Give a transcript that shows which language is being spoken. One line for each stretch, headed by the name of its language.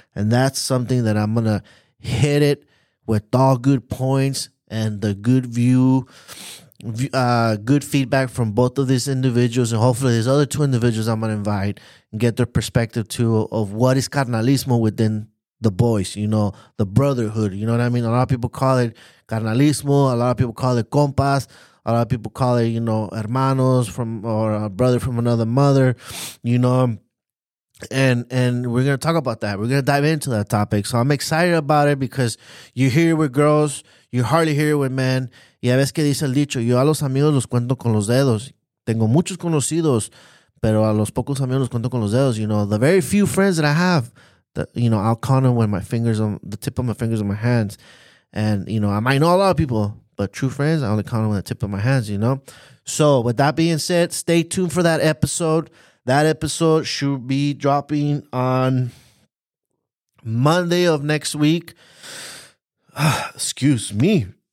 English: And that's something that I'm going to hit it with all good points and the good view, good feedback from both of these individuals and hopefully these other two individuals I'm going to invite and get their perspective too of what is carnalismo within the boys, you know, the brotherhood, you know what I mean? A lot of people call it carnalismo, a lot of people call it compas, a lot of people call it, you know, hermanos from or a brother from another mother, you know, and we're going to talk about that. We're going to dive into that topic. So I'm excited about it because you hear it with girls, you hardly hear it with men.
Spanish: Y a veces que dice el dicho, yo a los amigos los cuento con los dedos. Tengo muchos conocidos, pero a los pocos amigos los cuento con los dedos.
English: You know, the very few friends that I have, that, you know, I'll count them with my fingers on the tip of my fingers on my hands. And, you know, I might know a lot of people, but true friends, I only count them with the tip of my hands, you know? So with that being said, stay tuned for that episode. That episode should be dropping on Monday of next week. Excuse me.